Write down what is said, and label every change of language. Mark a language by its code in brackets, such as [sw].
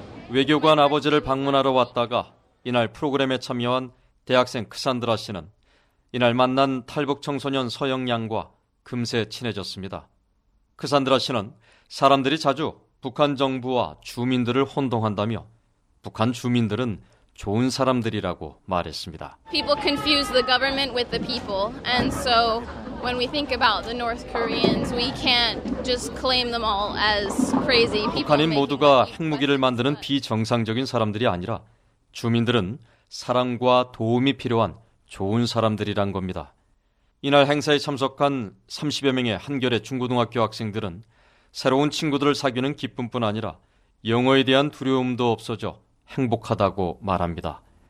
[ko] 외교관 아버지를 방문하러 왔다가 이날 프로그램에 참여한 대학생 크산드라 씨는 이날 만난 탈북 청소년 서영 양과 금세 친해졌습니다. 크산드라 씨는 사람들이 자주 북한 정부와 주민들을 혼동한다며 북한 주민들은 좋은 사람들이라고 말했습니다. [en] People confuse the government with the people. And so when we think about the North Koreans, we can't just claim them all as crazy people. [ko] 북한인 모두가 핵무기를 만드는 비정상적인 사람들이 아니라 주민들은 사랑과 도움이 필요한 좋은 사람들이란 겁니다. 이날 행사에 참석한 30여 명의 한겨레 중고등학교 학생들은 새로운 친구들을 사귀는 기쁨뿐 아니라 영어에 대한 두려움도 없어져 행복하다고 말합니다.